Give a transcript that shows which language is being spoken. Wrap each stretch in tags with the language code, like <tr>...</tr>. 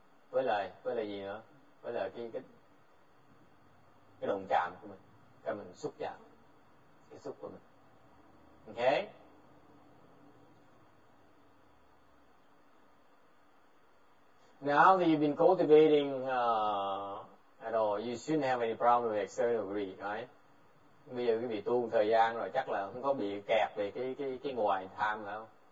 <vi>Với lại gì nữa, với lại cái đồng chạm của mình, cái mình xúc chạm, cái xúc của mình.</vi> <en>Ok, now that you've been cultivating at all, you shouldn't have any problem with external greed, right?</en> <vi>Bây giờ quý vị tu thời gian rồi chắc là không có bị kẹt về cái ngoài tham nữa.</vi>